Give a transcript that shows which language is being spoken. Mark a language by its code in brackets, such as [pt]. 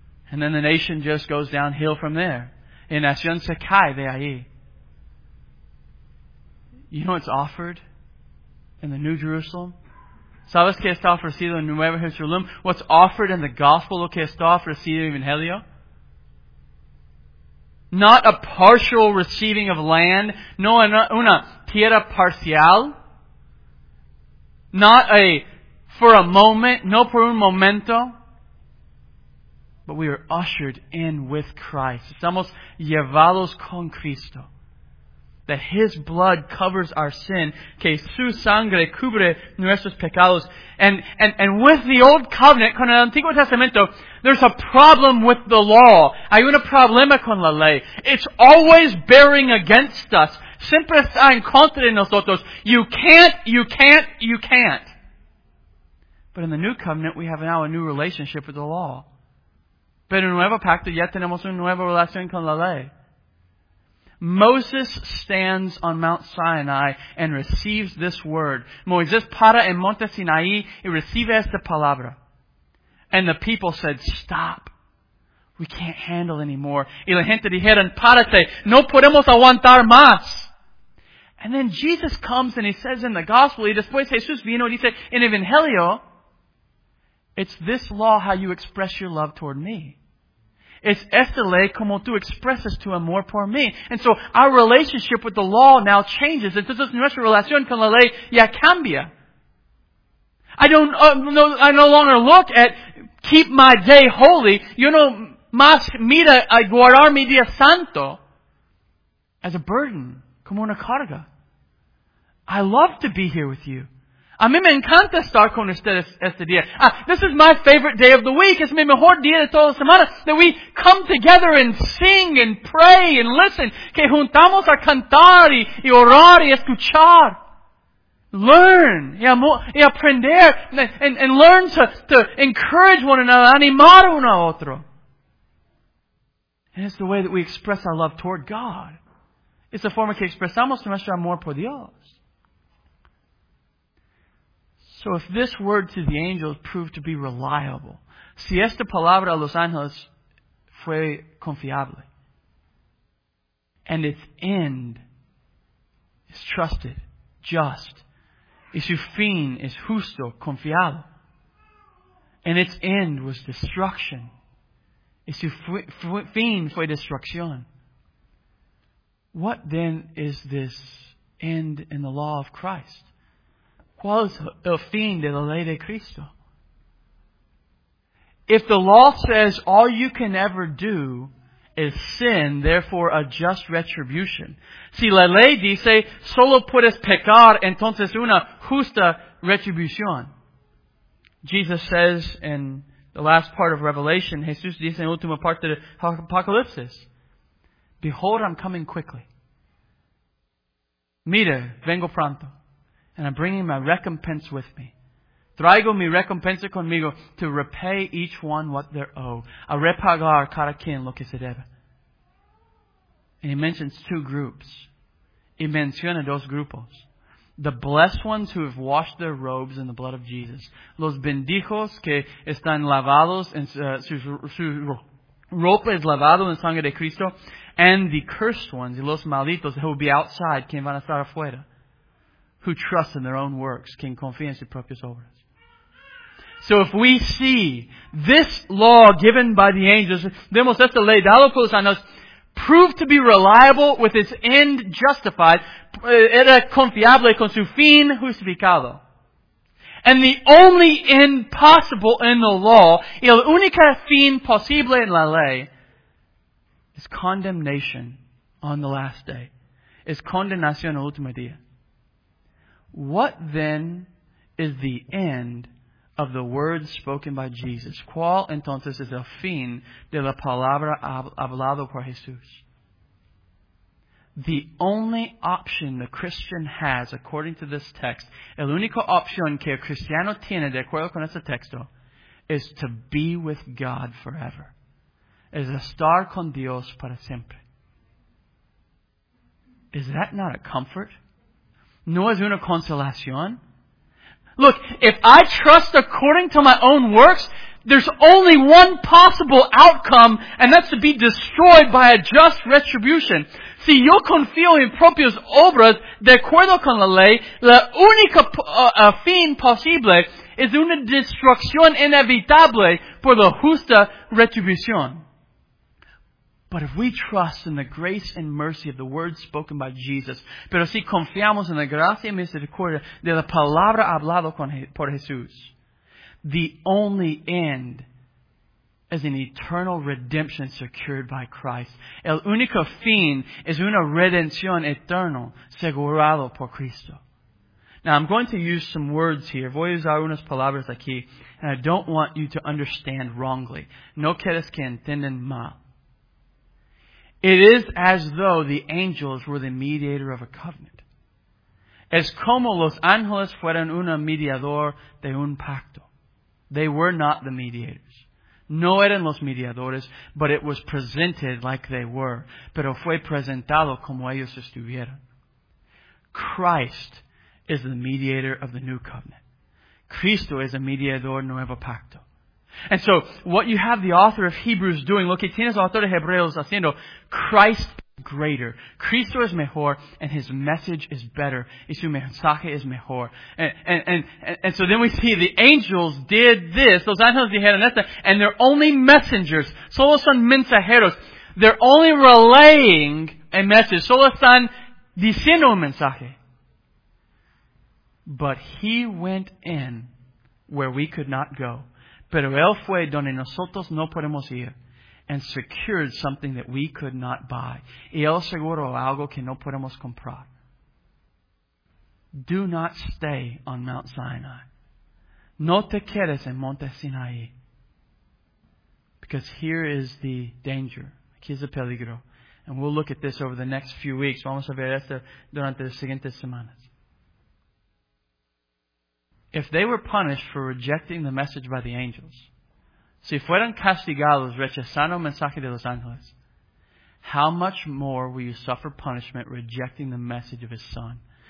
[en] And then the nation just goes downhill from there. [es] Y nación se cae de ahí. [en] You know what's offered in the New Jerusalem? [es] ¿Sabes qué está ofrecido en Nueva Jerusalén? [en] What's offered in the gospel? [es] ¿Lo que está ofrecido en el Evangelio? [en] Not a partial receiving of land. [es] No, una tierra parcial. [en] Not a for a moment. [es] No por un momento. [en] But we are ushered in with Christ. [es] Estamos llevados con Cristo. [en] That His blood covers our sin. [es] Que su sangre cubre nuestros pecados. [en] And with the Old Covenant, [es] con el Antiguo Testamento, [en] there's a problem with the law. [es] Hay un problema con la ley. [en] It's always bearing against us. [es] Siempre está en contra de nosotros. [en] You can't, you can't, you can't. But in the New Covenant, we have now a new relationship with the law. [es] Pero en nuevo pacto ya tenemos una nueva relación con la ley. [en] Moses stands on Mount Sinai and receives this word. [es] Moisés para en Monte Sinaí y recibe esta palabra. [en] And the people said, stop. We can't handle anymore. [es] Y la gente dijeron, párate. No podemos aguantar más. [en] And then Jesus comes and he says in the gospel, [es] y después Jesús vino y dice, en Evangelio, [en] it's this law how you express your love toward me. It's [es] esta ley como tú expresas tu amor por mí. [en] And so our relationship with the law now changes. [es] Entonces nuestra relación con la ley ya cambia. [en] I no longer look at keep my day holy. [es] Yo no más mira a guardar mi día santo [en] as a burden, [es] como una carga. [en] I love to be here with you. [es] A mí me encanta estar con ustedes este día. [en] This is my favorite day of the week. [es] Es mi mejor día de toda la semana. [en] That we come together and sing and pray and listen. [es] Que juntamos a cantar y orar y escuchar. [en] Learn [es] y aprender. [en] And learn to encourage one another, [es] animar uno a otro. [en] And it's the way that we express our love toward God. It's the [es] forma que expresamos nuestro amor por Dios. [en] So if this word to the angels proved to be reliable, [es] si esta palabra a los ángeles fue confiable, [en] and its end is trusted, just, [es] y su fin es justo, confiable, [en] and its end was destruction, [es] y su fin fue destrucción, [en] what then is this end in the law of Christ? [es] ¿Cuál es el fin de la ley de Cristo? [en] If the law says all you can ever do is sin, therefore a just retribution. [es] Si la ley dice, solo puedes pecar, entonces una justa retribución. [en] Jesus says in the last part of Revelation, [es] Jesús dice en la última parte de Apocalipsis, [en] behold, I'm coming quickly. [es] Mira, vengo pronto. [en] And I'm bringing my recompense with me. [es] Traigo mi recompensa conmigo [en] to repay each one what they owe. [es] A repagar cada quien lo que se debe. [en] And he mentions two groups. [es] Y menciona dos grupos. [en] The blessed ones who have washed their robes in the blood of Jesus. [es] Los bendijos que están lavados en su ropa es lavado en sangre de Cristo. [en] And the cursed ones, [es] los malditos, [en] who will be outside, [es] quien van a estar afuera. [en] Who trust in their own works, [es] quien confía en sus propias obras. [en] So if we see this law given by the angels, [es] vemos esta ley dado por los ángeles, [en] proved to be reliable with its end justified, [es] era confiable con su fin justificado. [en] And the only end possible in the law, [es] el único fin posible en la ley, [en] is condemnation on the last day. [es] Es condenación al último día. [en] What then is the end of the words spoken by Jesus? [es] ¿Cuál entonces es el fin de la palabra hablado por Jesús? [en] The only option the Christian has, according to this text, [es] el único opción que el cristiano tiene de acuerdo con este texto, [en] is to be with God forever. [es] Es estar con Dios para siempre. [en] Is that not a comfort? [es] ¿No es una consolación? [en] Look, if I trust according to my own works, there's only one possible outcome, and that's to be destroyed by a just retribution. [es] Si yo confío en propias obras, de acuerdo con la ley, la única fin posible es una destrucción inevitable por la justa retribución. [en] But if we trust in the grace and mercy of the words spoken by Jesus, [es] pero si confiamos en la gracia y misericordia de la palabra hablado por Jesús, [en] the only end is an eternal redemption secured by Christ. [es] El único fin es una redención eterna asegurado por Cristo. [en] Now I'm going to use some words here. [es] Voy a usar unas palabras aquí, [en] and I don't want you to understand wrongly. [es] No quieres que entiendan mal. [en] It is as though the angels were the mediator of a covenant. [es] Es como los ángeles fueran un mediador de un pacto. [en] They were not the mediators. [es] No eran los mediadores, [en] but it was presented like they were. [es] Pero fue presentado como ellos estuvieron. [en] Christ is the mediator of the new covenant. [es] Cristo es el mediador nuevo pacto. [en] And so, what you have the author of Hebrews doing, [es] lo que tienes el autor de Hebreos haciendo, [en] Christ is greater. [es] Cristo es mejor, [en] and His message is better. [es] Y su mensaje es mejor. [en] And so then we see the angels did this, [es] los ángeles dijeron esto, [en] and they're only messengers. [es] Solo son mensajeros. [en] They're only relaying a message. [es] Solo están diciendo un mensaje. [en] But He went in where we could not go. [es] Pero él fue donde nosotros no podemos ir. [en] And secured something that we could not buy. [es] Y él aseguró algo que no podemos comprar. [en] Do not stay on Mount Sinai. [es] No te quedes en Monte Sinai. [en] Because here is the danger. [es] Aquí es el peligro. [en] And we'll look at this over the next few weeks. [es] Vamos a ver esto durante las siguientes semanas. [en] If they were punished for rejecting the message by the angels, [es] si fueron castigados rechazando el mensaje de los ángeles, [en] how much more will you suffer punishment rejecting the message of His Son?